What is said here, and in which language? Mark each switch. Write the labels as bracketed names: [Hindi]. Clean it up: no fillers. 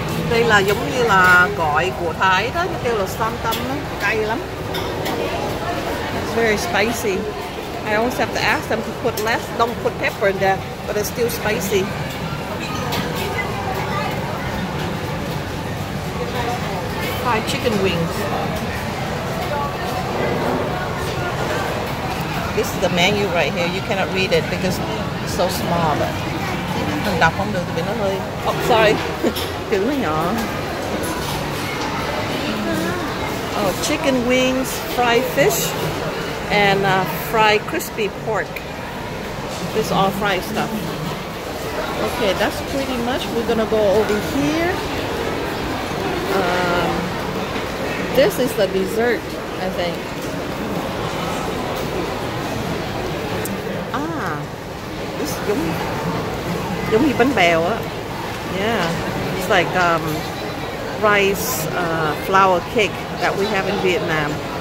[Vietnamese] Đây là giống như là gỏi của Thái đó, kêu là samdam đó, cay lắm. [English] It's very spicy. I always have to ask them to put less, don't put pepper in there, but it's still spicy. Fried chicken wings. This is the menu right here. You cannot read it because it's so small. But [Vietnamese] không đọc không được thì bị nó hơi. [English] Oh, sorry. [Vietnamese] Chữ nó nhỏ. [English] Oh, chicken wings, fried fish. And fried crispy pork. This is all fried stuff. Okay, that's pretty much. We're gonna go over here. This is the dessert, I think. Ah, this [Vietnamese] giống như bánh bèo á. [English] Yeah, it's like rice flour cake that we have in Vietnam.